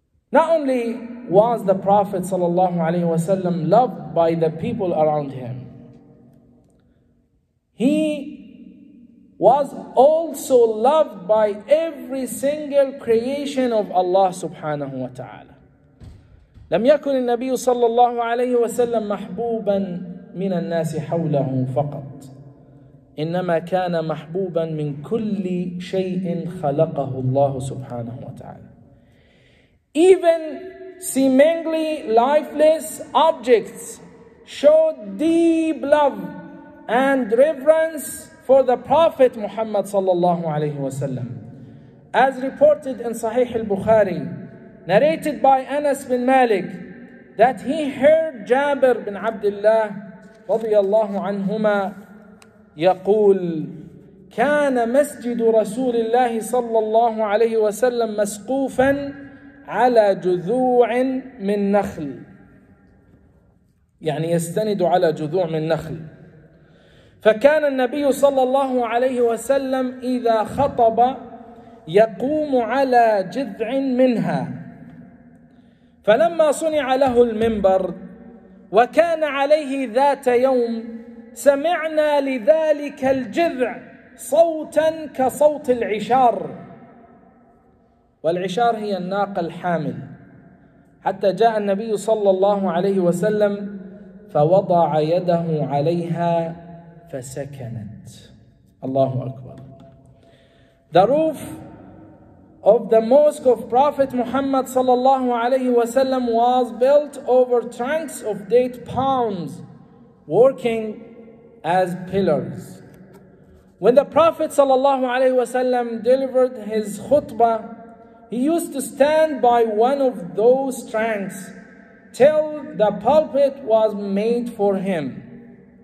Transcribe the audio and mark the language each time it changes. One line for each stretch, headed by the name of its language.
English: Not only was the Prophet sallallahu alaihi wasallam loved by the people around him, he was also loved by every single creation of Allah subhanahu wa ta'ala.
Arabic: لم يكن النبي صلى الله عليه وسلم محبوبا من الناس حوله فقط، إنما كان محبوبا من كل شيء خلقه الله سبحانه وتعالى.
English: Even seemingly lifeless objects showed deep love and reverence for the Prophet Muhammad صلى الله عليه وسلم. As reported in Sahih al-Bukhari, narrated by Anas bin Malik, that he heard Jabir bin Abdullah
Arabic: رضي الله عنهما يقول كان مسجد رسول الله صلى الله عليه وسلم مسقوفا على جذوع من نخل. يعني يستند على جذوع من نخل. فكان النبي صلى الله عليه وسلم إذا خطب يقوم على جذع منها. فلما صنع له المنبر وكان عليه ذات يوم سمعنا لذلك الجذع صوتا كصوت العشار، والعشار هي الناقة الحامل، حتى جاء النبي صلى الله عليه وسلم فوضع يده عليها فسكنت. الله أكبر.
English: The roof of the mosque of Prophet Muhammad sallallahu alayhi wa sallam was built over trunks of date palms working as pillars. When the Prophet sallallahu alayhi wa sallam delivered his khutbah, he used to stand by one of those trunks till the pulpit was made for him.